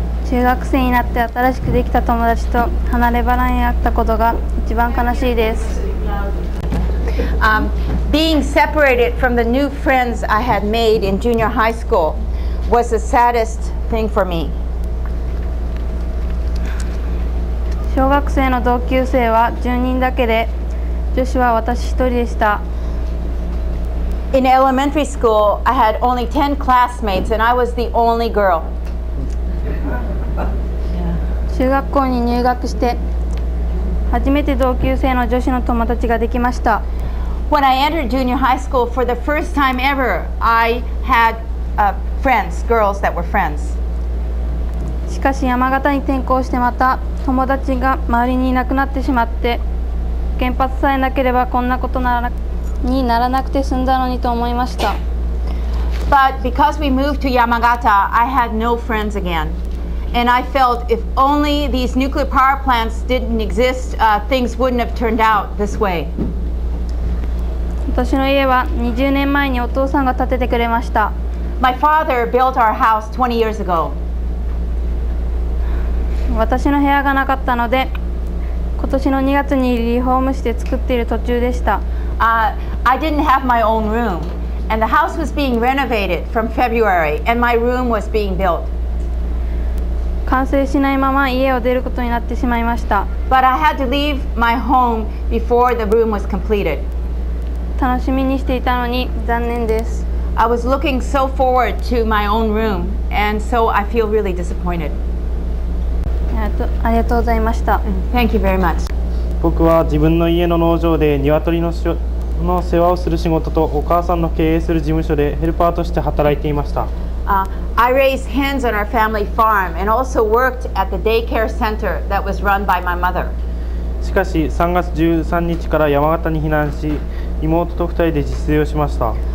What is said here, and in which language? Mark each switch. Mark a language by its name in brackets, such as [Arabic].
[Japanese] 中学生になって新しくできた友達と離れ離れになったことが一番悲しいです。 [English] Being separated from the new friends I had made in junior high school was the saddest thing for me. [Japanese] 小学生の同級生は10人だけで、女子は私一人でした。 [English] In elementary school, I had only 10 classmates and I was the only girl. [Japanese] 中学校に入学して、初めて同級生の女子の友達ができました。 [English] When I entered junior high school for the first time ever, I had friends, girls that were friends. [Japanese] しかし山形に転校してまた友達が周りにいなくなってしまって原発さえなければこんなことにならなくて済んだのにと思いました。 [English] But because we moved to Yamagata, I had no friends again. And I felt if only these nuclear power plants didn't exist, things wouldn't have turned out this way. [Japanese] 私の家は20年前にお父さんが建ててくれました。 [English] My father built our house 20 years ago. [Japanese] 私の部屋がなかったので、今年の2月にリフォームして作っている途中でした。 [English] I didn't have my own room, and the house was being renovated from February, and my room was being built. [Japanese] 完成しないまま家を出ることになってしまいました。 [English] But I had to leave my home before the room was completed. [Japanese] 楽しみにしていたのに残念です。 [English] I was looking so forward to my own room, and so I feel really disappointed. [Japanese] ありがとうございました。 [English] Thank you very much. [Japanese] 僕は自分の家の農場で鶏の世話をする仕事とお母さんの経営する事務所でヘルパーとして働いていました。 [English] I raised hens on our family farm and also worked at the daycare center that was run by my mother. [Japanese] しかし3月13日から山形に避難し妹と2人で自炊をしました。